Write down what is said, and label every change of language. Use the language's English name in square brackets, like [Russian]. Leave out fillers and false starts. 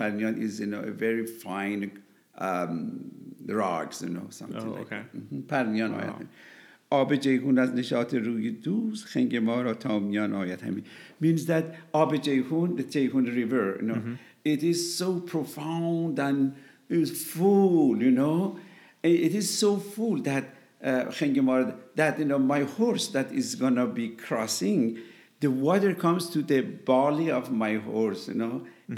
[English] Parnian is, you know, a very fine rocks, you know, something like okay. that. Mm-hmm. Parnian. Wow. [Persian] آب جیهون از نشاط روی دوست خنگ ما را تا میان آید همی. [English] Means that آب جیهون, the جیهون river, you know, mm-hmm. it is so profound and is full, you know. It is so full that [Persian] خنگ ما را, [English] that, you know, my horse that is going to be crossing, the water comes to the belly of my horse, you know, mm-hmm.